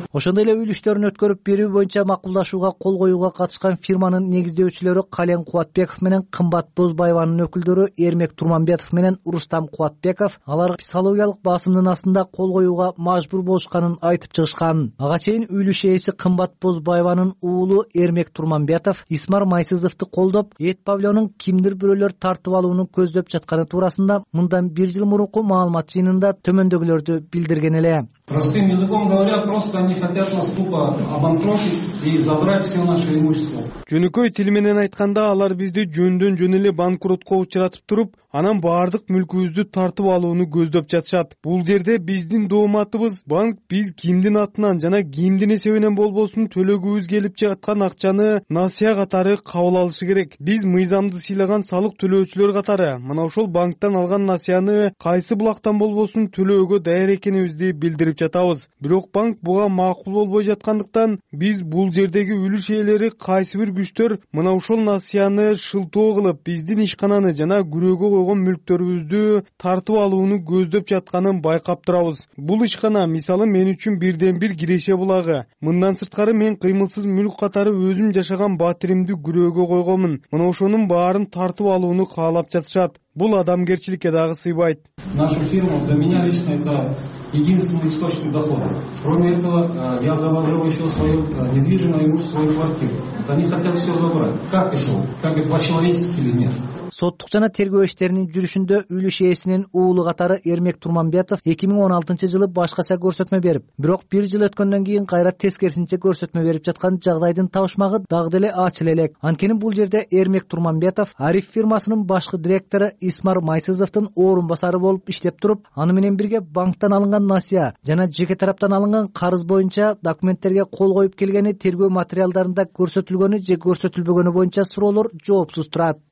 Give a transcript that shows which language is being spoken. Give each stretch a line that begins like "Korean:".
Kyrgyz: Ошондой эле үйлүштөрүн өткөрүп берүү боюнча макулдашууга кол коюуга катышкан фирманын негиздөөчүлөрү Кален Кубатбеков менен Кымбат Бузбаевнын өкүлдөрү Эрмек Турманбетов менен Рустам Кубатбеков алар психологиялык басымдын астында кол коюуга мажбур болушканын айтып чыгышкан. Ага чейин үйлүш ээси Кымбат Бузбаеванын уулу Эрмек Турманбетов Исмар Майсызовду колдоп, эт павильонун кимдир бирөөлөр тартып алууну көздөп жатканы туурасында мындан бир жыл мурунку маалымат жыйынында төмөндөгүлөрдү билдирген эле.
Russian: Простым языком говоря, просто они хотят нас тупо обанкротить и забрать все наше имущество.
Kyrgyz: Жөнөкөй тил менен айтканда алар бизди жөндөн жөн эле банкротко учуратып туруп, анан баардык мүлкүбүздү тартып алууну көздөп жатышат. Бул жерде биздин дооматыбыз банк биз кимдин атынан жана кимдин эсебинен болбосун төлөгүбүз келип жаткан акчаны насыя катары кабыл алышы керек. Биз мыйзамды сыйлаган салык төлөөчүлөр катары мына ошол банктан алган насыяны кайсы булактан болбосун төлөөгө даяр экенибизди билдирип жатабыз. Бирок банк буга макул болбой жаткандыктан биз бул жердеги үлүш ээлери кайсы бир күчтөр мына ошол насыяны шылтоо кылып биздин ишкананы жана күрөөгө койгон мүлктөрүбүздү тартып алууну көздөп жатканын байкап турабыз. Бул ишкана мисалы мен үчүн бирден бир киреше булагы. Мындан сырткары мен кыймылсыз мүлк катары өзүм жашаган батиримди күрөөгө койгонмун. Мына ошонун баарын тартып алууну каалап жатышат. Бул адамгерчиликке дагы сыйбайт.
Russian: Наша фирма для меня лично это единственный источник дохода. Кроме этого, я завожу еще свое недвижимое имущество, свою квартиру. Они хотят все забрать. Как это? Как это по-человечески или нет?
Kyrgyz: Соттук жана тергөө иштеринин жүрүшүндө үлүш ээсинин уулу катары Эрмек Турманбетов 2016 жылы башкача көрсөтмө берип, бирок бир жыл өткөндөн кийин кайра тескерисинче көрсөтмө берип жаткан жагдайдын табышмагы дагы деле ачыла элек. Анткени бул жерде Эрмек Турманбетов Ариф фирмасынын башкы директору Исмар Майсызовдун орун басары болуп иштеп туруп, аны менен бирге банктан алынган насыя жана жеке тараптан алынган карыз боюнча документтерге кол коюп келгени тергөө материалдарында көрсөтүлгөнү же көрсөтүлбөгөнү боюнча суроолор жоопсуз турат.